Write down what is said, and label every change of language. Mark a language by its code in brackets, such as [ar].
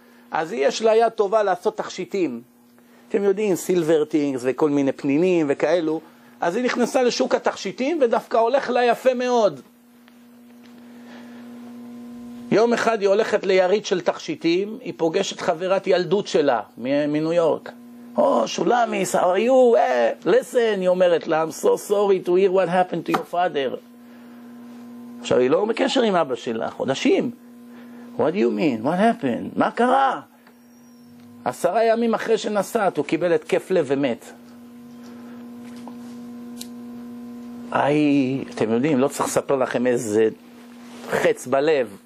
[he] אז יש לה יד טובה לעשות תכשיטים. אתם יודעים, סילבר טינגס וכל מיני פנינים וכאלו. אז היא נכנסה לשוק התכשיטים ודווקא הולך לה יפה מאוד. יום אחד היא הולכת ליריד של תכשיטים, היא פוגשת חברת ילדות שלה מניו יורק. [en] Oh, Shulamis, how are you? Listen, [he] היא אומרת לה, [en] I'm so sorry to hear what happened to your father. [he] עכשיו, היא לא בקשר עם אבא שלה, חודשים. [en] What do you mean? What happened? [he] מה קרה? 10 ימים אחרי שנסעת, הוא קיבל את כיף לב ומת. אתם יודעים, לא צריך לספר לכם איזה חץ בלב.